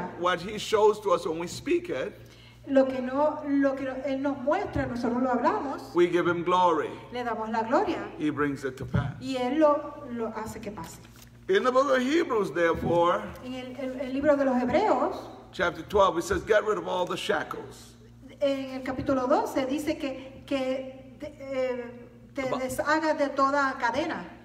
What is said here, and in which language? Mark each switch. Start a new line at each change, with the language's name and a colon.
English: And what he shows to us when we speak it.
Spanish: Lo que él nos muestra, nosotros lo hablamos.
English: We give him glory.
Spanish: Le damos la gloria.
English: He brings it to pass.
Spanish: Y él lo hace que pase.
English: In the book of Hebrews, therefore,
Spanish: en el libro de los Hebreos,
English: chapter 12, it says, get rid of all the shackles.
Spanish: En el capítulo 12 dice que te deshagas de toda cadena.